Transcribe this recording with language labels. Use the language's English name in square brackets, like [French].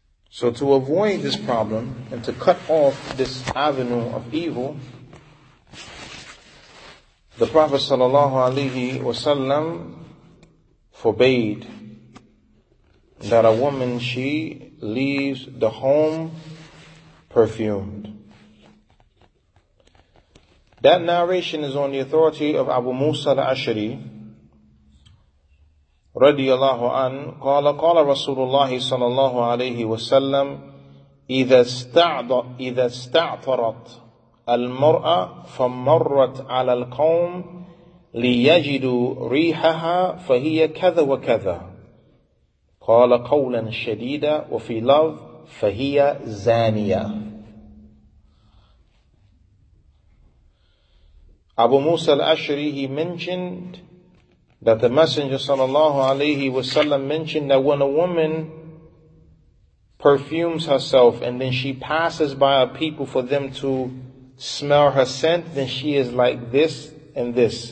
[English] So to avoid this problem and to cut off this avenue of evil, the Prophet sallallahu alaihi wasallam forbade that a woman, she leaves the home perfumed. That narration is on the authority of [Arabic] Abu Musa al-Ash'ari رضي الله عنه قال قال رسول الله صلى الله عليه وسلم إذا استعطرت المرأة فمرت على القوم ليجدوا ريحها فهي كذا وكذا قال قولا شديدا وفي لفظ فهي زانية. [English] أبو موسى الأشعري, he mentioned that the Messenger sallallahu alaihi wasallam mentioned that when a woman perfumes herself and then she passes by a people for them to smell her scent, then she is like this and this.